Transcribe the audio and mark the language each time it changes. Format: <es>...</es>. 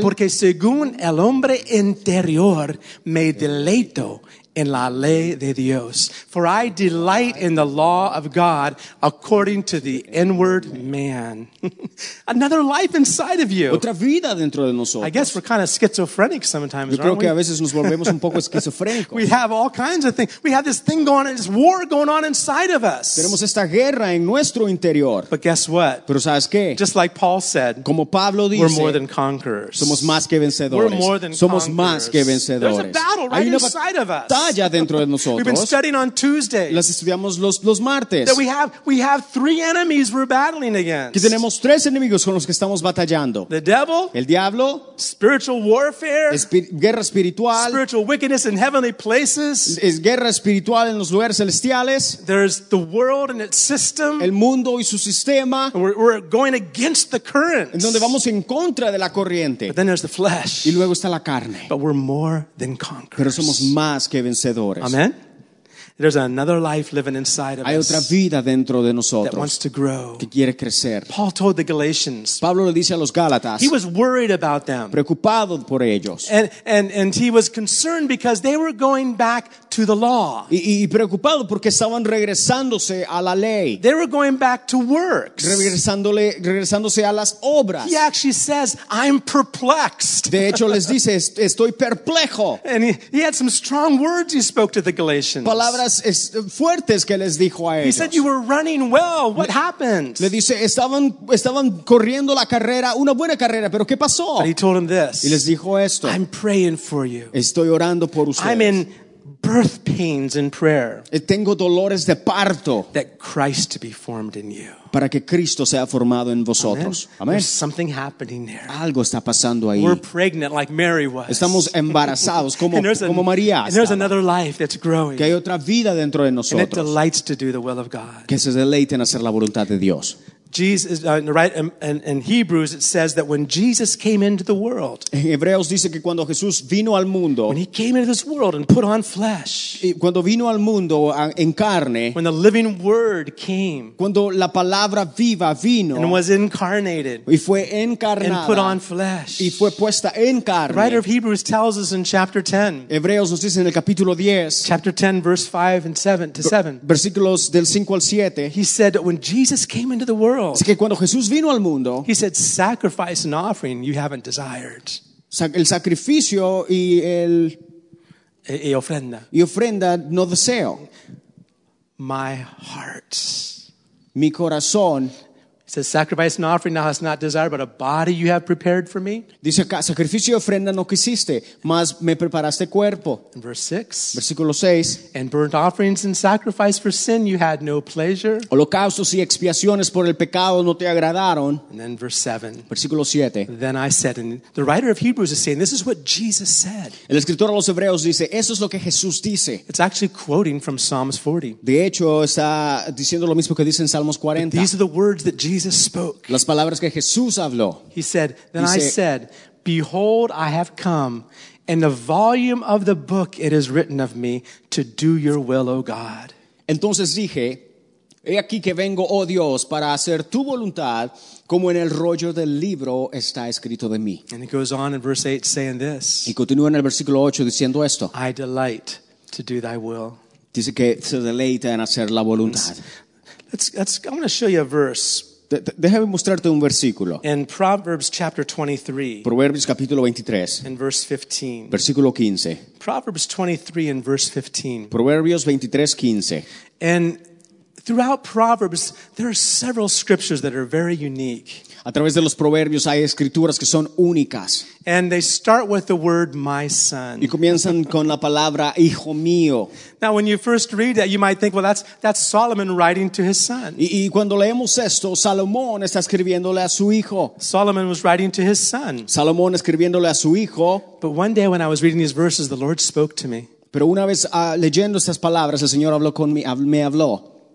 <es>porque según el hombre interior me deleito en la ley de Dios.</es> <en>For I delight in the law of God according to the inward man. Another life inside of you.</en> <es>Otra vida dentro de nosotros.</es> <en>I guess we're kind of schizophrenic sometimes,</en> <es>yo creo</es> <en>aren't</en> <es>que</es> <en>we?</en> <es>A veces nos volvemos un poco esquizofrénicos.</es> <en>We have all kinds of things. We have this thing going on, this war going on inside of us.</en> <es>Tenemos esta guerra en nuestro interior.</es> <en>But guess what?</en> <es>Pero ¿sabes qué?</es> <en>Just like Paul said,</en> <es>como Pablo dice,</es> <en>we're more than conquerors.</en> <es>Somos más que vencedores.</es> <en>We're more than</en> <es>somos</es> <en>conquerors.</en> <es>Más que vencedores.</es> <en>There's a battle right inside of us.</en> <es>Allá dentro de nosotros.</es> <en>We've been studying on Tuesday.</en> <es>Las estudiamos los martes.</es> <en>That we have three enemies we're battling against.</en> <es>Que tenemos tres enemigos con los que estamos batallando.</es> <en>The devil.</en> <es>El diablo.</es> <en>Spiritual warfare.</en> <es>Guerra espiritual.</es> <en>Spiritual wickedness in heavenly places.</en> <es>Es guerra espiritual en los lugares celestiales.</es> <en>There's the world and its system.</en> <es>El mundo y su sistema.</es> <en>We're going against the current.</en> <es>En donde vamos en contra de la corriente.</es> <en>But then there's the flesh.</en> <es>Y luego está la carne.</es> <en>But we're more than conquerors.</en> <es>Pero somos más que vencedores.</es> <en>Amen. There's another life living inside of</en> <es>hay otra vida dentro de nosotros</es> <en>that wants to grow.</en> <es>Que quiere crecer.</es> <en>Paul told the Galatians.</en> <es>Pablo le dice a los Gálatas.</es> <en>He was worried about them.</en> <es>Preocupado por ellos.</es> <en>And he was concerned because they were going back to the law.</en> <es>Y preocupado porque estaban regresándose a la ley.</es> <en>They were going back to works.</en> <es>Regresándose a las obras.</es> <en>He actually says, "I'm perplexed."</en> <es>De hecho les dice, estoy perplejo.</es> <en>And he had some strong words he spoke to the Galatians.</en> <es>Fuertes que les dijo a ellos.</es> <en>He said you were running well. What happened?</en> <es>Le dice estaban corriendo la carrera, una buena carrera, pero ¿qué pasó?</es> <en>But he told him this.</en> <es>Y les dijo esto.</es> <en>I'm praying for you.</en> <es>Estoy orando por ustedes.</es> <en>I'm in birth pains in prayer.</en> <es>Tengo dolores de parto.</es> <en>That Christ be formed in you.</en> <es>Para que Cristo sea formado en vosotros.</es> <en>Amen. There's something happening there.</en> <es>Algo está pasando ahí.</es> <en>We're pregnant like Mary was.</en> <es>Estamos embarazados como María.</es> <en>And there's another life that's growing.</en> <es>Que hay otra vida dentro de nosotros.</es> <en>And it delights to do the will of God.</en> <es>Que se deleite en hacer la voluntad de Dios.</es> <en>Jesus, right? In Hebrews it says that when Jesus came into the world,</en> <es>en Hebreos dice que cuando Jesús vino al mundo,</es> <en>when he came into this world and put on flesh,</en> <es>cuando vino al mundo en carne,</es> <en>when the living Word came,</en> <es>cuando la palabra viva vino,</es> <en>and was incarnated,</en> <es>y fue encarnada,</es> <en>and put on flesh,</en> <es>y fue puesta en carne.</es> <en>The writer of Hebrews tells us in chapter 10,</en> <es>Hebreos nos dice en el capítulo 10,</es> <en>chapter 10, verse 5 and 7 to 7,</en> <es>versículos del 5 al 7,</es> <en>he said that when Jesus came into the world.</en> <es>Así que cuando Jesús vino al mundo,</es> <en>he said, "Sacrifice and offering you haven't desired."</en> <es>El sacrificio y el ofrenda. Y ofrenda no deseo.</es> <en>My heart.</en> <es>mi corazón.</es> <en>It says, sacrifice and offering thou hast not desired, but a body you have prepared for me.</en> <es>Dice, sacrificio y ofrenda no quisiste, mas me preparaste cuerpo.</es> <en>In verse 6.</en> <es>Versículo 6.</es> <en>And burnt offerings and sacrifice for sin you had no pleasure.</en> <es>Holocaustos y expiaciones por el pecado no te agradaron.</es> <en>And then verse 7.</en> <es>Versículo 7.</es> <en>Then I said, and the writer of Hebrews is saying, this is what Jesus said.</en> <es>El escritor a los hebreos dice, eso es lo que Jesús dice.</es> <en>It's actually quoting from Psalms 40.</en> <es>De hecho, está diciendo lo mismo que dice en Salmos 40.</es> <en>But these are the words that Jesus spoke.</en> <es>Las palabras que Jesús habló.</es> <en>He said, then</en> <es>dice,</es> <en>I said, behold, I have come, and the volume of the book it is written of me to do your will, O God.</en> <es>Entonces dije, he aquí que vengo, oh Dios, para hacer tu voluntad, como en el rollo del libro está escrito de mí.</es> <en>And it goes on in verse 8 saying this.</en> <es>Y continúa en el versículo 8 diciendo esto.</es> <en>I delight to do thy will.</en> <es>Dice que se deleita en hacer la voluntad.</es> <en>Let's, I'm going to show you a verse.</en> <es>Déjame mostrarte un versículo.</es> <en>In Proverbs chapter 23.</en> <es>Proverbios capítulo 23.</es> <en>In verse 15.</en> <es>Versículo 15.</es> <en>Proverbs 23 and verse 15.</en> <es>Proverbios 23, 15.</es> <en>And throughout Proverbs, there are several scriptures that are very unique.</en> <es>A través de los proverbios hay escrituras que son únicas.</es> <en>And they start with the word, my son.</en> <es>Y comienzan con la palabra, hijo mío.</es> <en>Now, when you first read that, you might think, well, that's Solomon writing to his son.</en> <es>Y cuando leemos esto, Salomón está escribiéndole a su hijo.</es> <en>Solomon was writing to his son.</en> <es>Salomón escribiéndole a su hijo.</es> <en>But one day when I was reading these verses, the Lord spoke to me.</en> <es>Pero una vez leyendo estas palabras, el Señor habló conmigo, me habló.</es>